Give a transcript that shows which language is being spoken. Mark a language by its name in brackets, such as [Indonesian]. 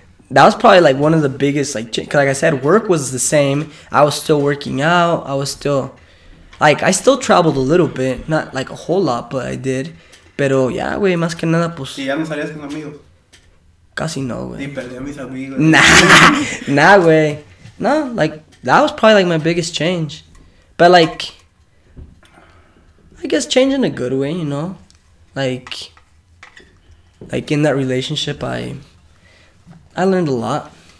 [English] That was probably one of the biggest, cause I said, work was the same. I was still working out. I was still. I still traveled a little bit. Not a whole lot, but I did. [Spanish] Pero, yeah, güey, más que nada, pues. ¿Y ya no salías con amigos? Casi no, güey. Ni perdí a mis amigos. Nah. Nah, güey. [English] No, that was probably my biggest change. But I guess change in a good way, you know? In that relationship I learned a lot.